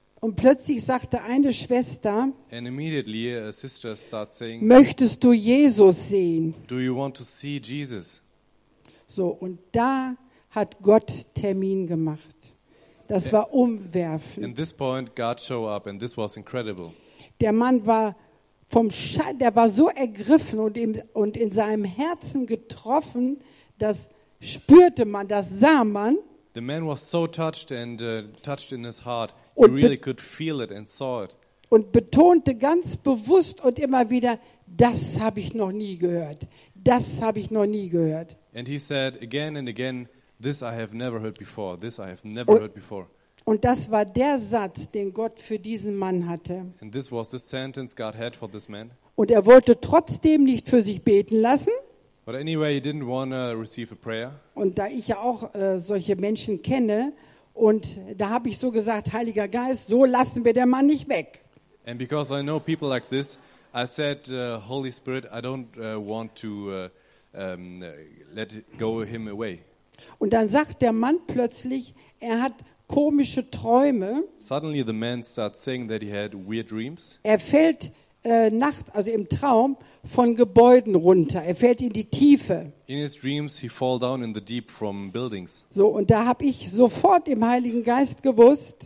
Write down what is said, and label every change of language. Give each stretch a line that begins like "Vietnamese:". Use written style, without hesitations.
German: Und plötzlich sagte eine Schwester,
English: and immediately a sister starts saying,
German: möchtest du Jesus sehen?
English: Do you want to see Jesus?
German: So, und da hat Gott Termin gemacht. Das war umwerfend.
English: At this point God showed up and this was incredible.
German: Der Mann war der war so ergriffen und in seinem Herzen getroffen, das spürte man, das sah man.
English: The man was so touched and touched in his heart. You really could feel it and saw it.
German: Und betonte ganz bewusst und immer wieder, das habe ich noch nie gehört. Das habe ich noch nie gehört.
English: And he said again and again, this I have never heard before. This I have never heard before.
German: Und das war der Satz, den Gott für diesen Mann hatte.
English: And this was the sentence God had for this man.
German: Und er wollte trotzdem nicht für sich beten lassen.
English: But anyway, he didn't want to receive a prayer.
German: Und da ich ja auch solche Menschen kenne, und da habe ich so gesagt, Heiliger Geist, so lassen wir den Mann nicht weg.
English: And because I know people like this, I said, Holy Spirit, I don't want to let go of him away.
German: Und dann sagt der Mann plötzlich, er hat komische Träume.
English: Suddenly the man starts saying that he had weird dreams.
German: Er fällt nachts, also im Traum, von Gebäuden runter. Er fällt in die Tiefe.
English: In his dreams he fall down in the deep from buildings.
German: So, und da habe ich sofort im Heiligen Geist gewusst.